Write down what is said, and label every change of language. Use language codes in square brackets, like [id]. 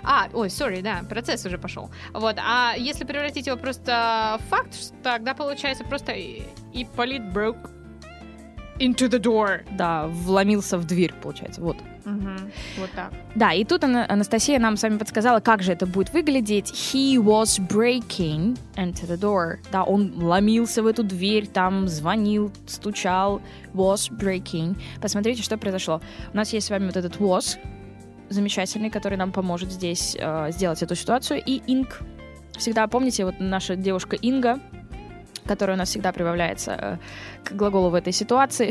[ru] А, ой, sorry, да, процесс уже пошел. Вот, а если превратить его просто в факт, тогда получается просто Ипполит [en] broke into the door. [ru] Да, вломился в дверь, получается, вот. Угу, вот так. Да, и тут Анастасия нам с вами подсказала, как же это будет выглядеть. [en] He was breaking into the door. [ru] Да, он ломился в эту дверь, там звонил, стучал. [en] Was breaking. [ru] Посмотрите, что произошло. У нас есть с вами вот этот was замечательный, который нам поможет здесь сделать эту ситуацию. И ing. Всегда помните, вот наша девушка Инга, которая у нас всегда прибавляется к глаголу в этой ситуации.